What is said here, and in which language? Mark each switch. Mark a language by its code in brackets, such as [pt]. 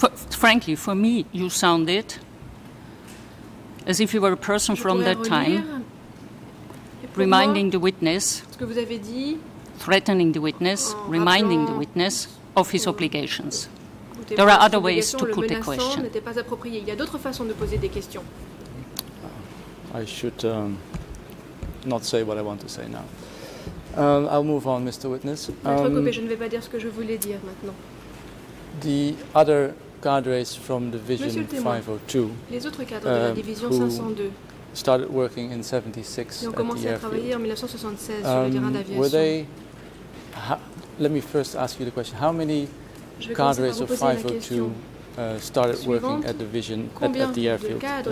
[en] Frankly, for me, you sounded as if you were a person from that time, reminding the witness, threatening the witness, reminding the witness of his obligations. There are other ways to put a question. [fr] Il y a d'autres façons de poser des questions. [en] I should not say what I want to say now. I'll move on, Mr. Witness. [fr] Je ne vais pas dire ce que je voulais dire maintenant. [en] The other cadres from Division 502, [fr] les autres cadres de la Division 502, [en] started working in 76 [fr] et ont commencé à travailler en 1976 sur le terrain d'aviation. [en] Were they? Let me first ask you the question. How many cadres of 502 started working at Division at the airfield?